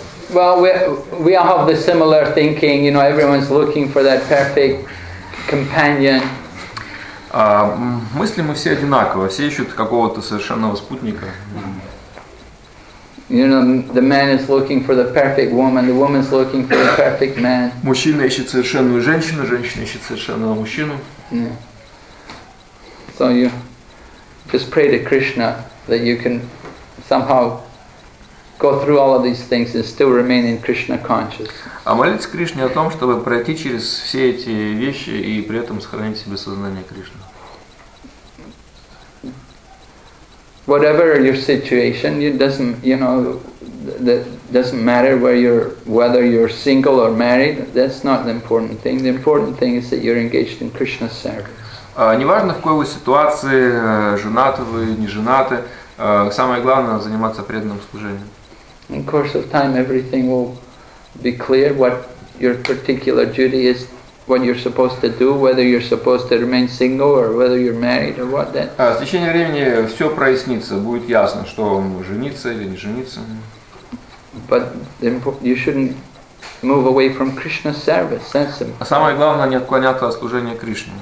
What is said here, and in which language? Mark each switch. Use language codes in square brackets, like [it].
[en] Well, we all have the similar thinking, you know, everyone's looking for that perfect companion. [ru] Мысли мы все одинаковы, все ищут какого-то совершенного спутника. [en] You know, the man is looking for the perfect woman, the woman's looking for the perfect man. [ru] Мужчина ищет совершенную женщину, женщина ищет совершенного мужчину. [en] Yeah. So you just pray to Krishna that you can somehow go through all of these things and still remain in Krishna consciousness. [ru] А молиться Кришне о том, чтобы пройти через все эти вещи и при этом сохранить в себе сознание Кришны. [en] Whatever your situation, it doesn't, you know, that doesn't matter whether you're single or married. That's not the important thing. The important thing is that you're engaged in Krishna's service. [ru] Неважно, в какой вы ситуации, женаты вы, не женаты, самое главное заниматься преданным служением. [en] In course of time, everything will be clear. What your particular duty is, what you're supposed to do, whether you're supposed to remain single or whether you're married or what that. [ru] С течением времени все прояснится, будет ясно, что жениться или не жениться. [en] But you shouldn't move away from Krishna's service. That's it. [ru] А самое главное не отклоняться от служения Кришне.